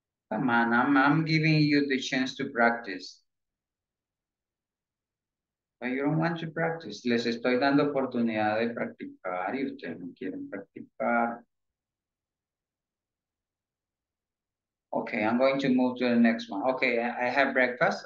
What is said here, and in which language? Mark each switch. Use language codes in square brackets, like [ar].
[en] Ah. Come on, I'm giving you the chance to practice. But you don't want to practice. [es] Les estoy dando oportunidad de practicar y ustedes no quieren practicar. [en] Okay, I'm going to move to the next one. Okay, I have breakfast.